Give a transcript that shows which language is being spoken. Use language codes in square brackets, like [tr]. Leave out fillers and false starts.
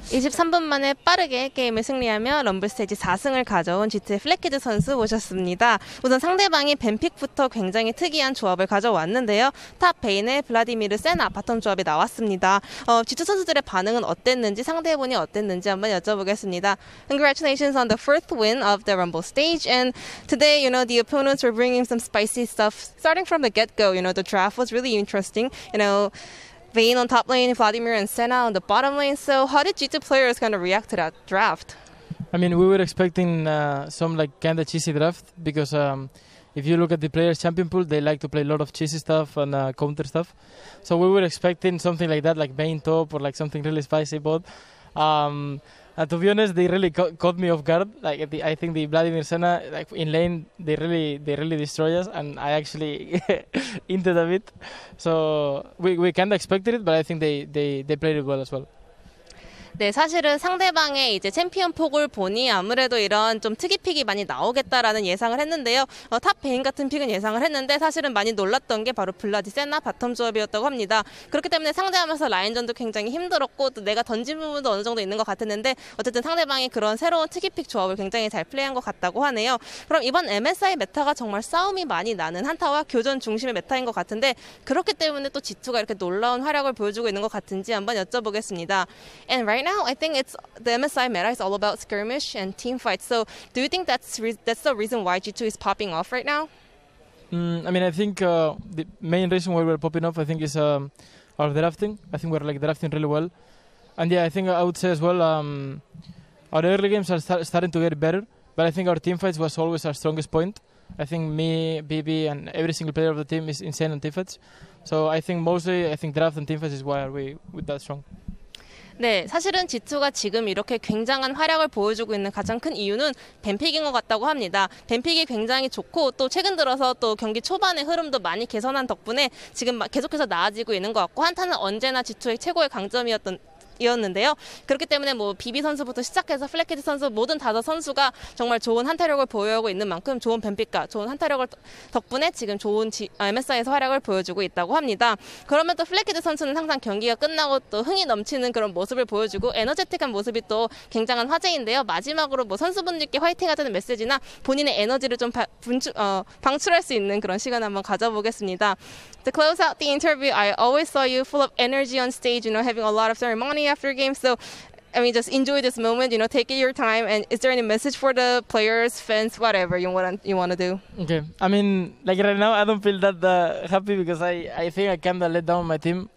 [ko] 23분 만에 빠르게 게임을 승리하며 럼블 스테이지 4승을 가져온 G2의 플래키드 선수 모셨습니다. 우선 상대방이 벤픽부터 굉장히 특이한 조합을 가져왔는데요. 탑 베인의 블라디미르 세나 바텀 조합이 나왔습니다. G2 선수들의 반응은 어땠는지 상대분이 어땠는지 한번 여쭤보겠습니다. [en] Congratulations on the fourth win of the Rumble stage and today you know the opponents were bringing some spicy stuff starting from the get-go. You know, the draft was really interesting. You know, Vayne on top lane, Vladimir and Senna on the bottom lane. So how did G2 players kind of react to that draft? I mean, we were expecting some like kind of cheesy draft because if you look at the players' champion pool, they like to play a lot of cheesy stuff and counter stuff. So we were expecting something like that, like Vayne top or like something really spicy. But to be honest, they really caught me off guard. Like I think the Vladimir Senna like in lane, they really destroy us, and I actually inted a bit. So we kind of expected it, but I think they played it well as well. [ko] 네, 사실은 상대방의 이제 챔피언 폭을 보니 아무래도 이런 좀 특이 픽이 많이 나오겠다라는 예상을 했는데요. 탑 베인 같은 픽은 예상을 했는데 사실은 많이 놀랐던 게 바로 블라디 세나 바텀 조합이었다고 합니다. 그렇기 때문에 상대하면서 라인전도 굉장히 힘들었고 또 내가 던진 부분도 어느 정도 있는 것 같았는데 어쨌든 상대방이 그런 새로운 특이 픽 조합을 굉장히 잘 플레이한 것 같다고 하네요. 그럼 이번 MSI 메타가 정말 싸움이 많이 나는 한타와 교전 중심의 메타인 것 같은데 그렇기 때문에 또 G2가 이렇게 놀라운 활약을 보여주고 있는 것 같은지 한번 여쭤보겠습니다. [en] And right now, I think it's the MSI meta is all about skirmish and team fights. So, do you think that's the reason why G2 is popping off right now? I mean, I think the main reason why we're popping off, I think, is our drafting. I think we're like drafting really well, and yeah, I think I would say as well, our early games are starting to get better. But I think our team fights was always our strongest point. I think me, BB, and every single player of the team is insane on team fights. So I think mostly, I think draft and team fights is why are we that strong. [ko] 네, 사실은 G2가 지금 이렇게 굉장한 활약을 보여주고 있는 가장 큰 이유는 뱀픽인 것 같다고 합니다. 뱀픽이 굉장히 좋고 또 최근 들어서 또 경기 초반의 흐름도 많이 개선한 덕분에 지금 계속해서 나아지고 있는 것 같고 한타는 언제나 G2의 최고의 강점이었는데요. 그렇기 때문에 뭐 비비 선수부터 시작해서 플래키드 선수 모든 다섯 선수가 정말 좋은 한타력을 보유하고 있는 만큼 좋은 뱀픽과 좋은 한타력을 덕분에 지금 좋은 MSI에서 활약을 보여주고 있다고 합니다. 그러면 또 플래키드 선수는 항상 경기가 끝나고 또 흥이 넘치는 그런 모습을 보여주고 에너제틱한 모습이 또 굉장한 화제인데요. 마지막으로 뭐 선수분들께 화이팅하자는 메시지나 본인의 에너지를 좀 방출할 수 있는 그런 시간 한번 가져보겠습니다. [en] To close out the interview, I always saw you full of energy on stage, you know, having a lot of ceremony after games. So I mean, just enjoy this moment, you know, take your time. And is there any message for the players, fans, whatever you want to do? Okay. I mean, like right now, I don't feel that happy because I think I kind of let down my team.